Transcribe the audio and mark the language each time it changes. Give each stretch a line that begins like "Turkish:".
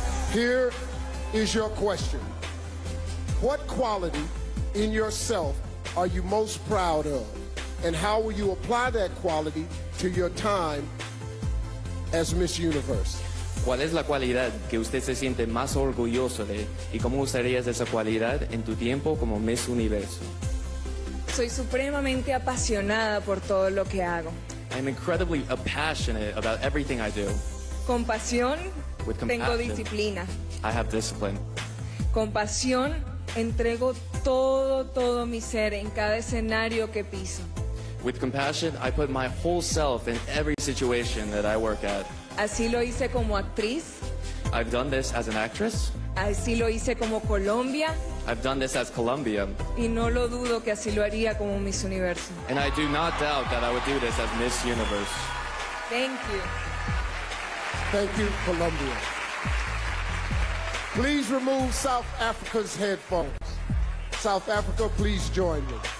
English: Here is your question. What quality in yourself are you most proud of? And how will you apply that quality to your time as Miss Universe?
Spanish: ¿Cuál es la cualidad que usted se siente más orgulloso de? ¿Y cómo usarías esa cualidad en tu tiempo como Miss Universo? Soy supremamente apasionada por todo lo que hago.
English: I'm incredibly passionate about everything I do.
Spanish: Con pasión, tengo disciplina.
English: I have discipline.
Spanish: con pasión entrego todo mi ser en cada escenario que piso.
English: With compassion, I put my whole self in every situation that I work at.
Spanish: Así lo hice como actriz.
English: I've done this as an actress.
Spanish: Así lo hice como Colombia.
English: I've done this as Colombia.
Spanish: Y no lo dudo que así lo haría como Miss Universo.
English: And I do not doubt that I would do this as Miss Universe. Thank you. Thank you, Colombia. Please remove South Africa's headphones. South Africa, please join me.